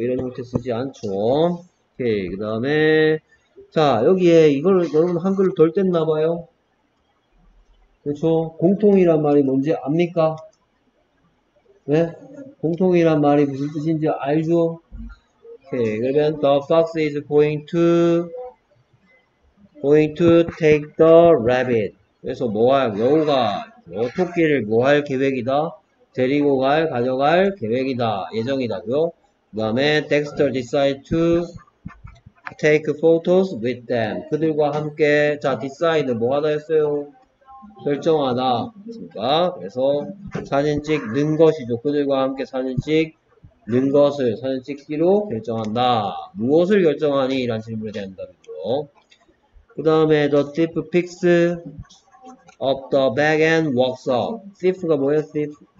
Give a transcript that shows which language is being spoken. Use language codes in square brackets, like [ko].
[ko] 이런 형태 쓰지 않죠. 오케이. 그 다음에, 자, 여기에 이걸 여러분 한글을 덜 뗐나 봐요. 그렇죠. 공통이란 말이 뭔지 압니까? 네? 공통이란 말이 무슨 뜻인지 알죠? 오케이. [en] 그러면 the fox is going to take the rabbit. [ko] 그래서 뭐할 여우가 토끼를 뭐할 계획이다. 데리고 갈, 가져갈 계획이다, 예정이다고요. [en] 그다음에 Dexter decide to take photos with them. [ko] 그들과 함께. 자, decide 뭐 하다 했어요? 결정하다. 그니까, 그래서 사진 찍는 것이죠. 그들과 함께 사진 찍는 것을, 사진 찍기로 결정한다. 무엇을 결정하니? 이란 질문에 대한 답이죠. 그 다음에 [en] the thief picks up the bag and walks off. thief가 [ko] 뭐예요? [en] thief.